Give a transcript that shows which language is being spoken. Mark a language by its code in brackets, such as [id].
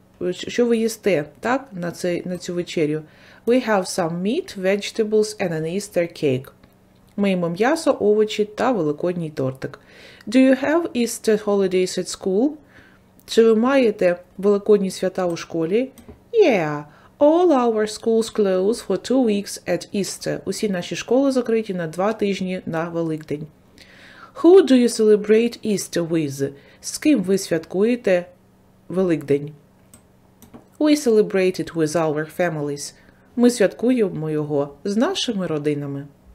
[uk] Що ви їсте, так, на цю вечерю? [en] We have some meat, vegetables and an Easter cake. [uk] Ми їмо м'ясо, овочі та великодній тортик. [en] Do you have Easter holidays at school? [uk] Чи ви маєте великодні свята у школі? [en] Yeah. All our schools close for 2 weeks at Easter. [uk] Усі наші школи закриті на 2 тижні на Великдень. [en] Who do you celebrate Easter with? [uk] З ким ви святкуєте Великдень? [en] We celebrate it with our families. [uk] Ми святкуємо його з нашими родинами.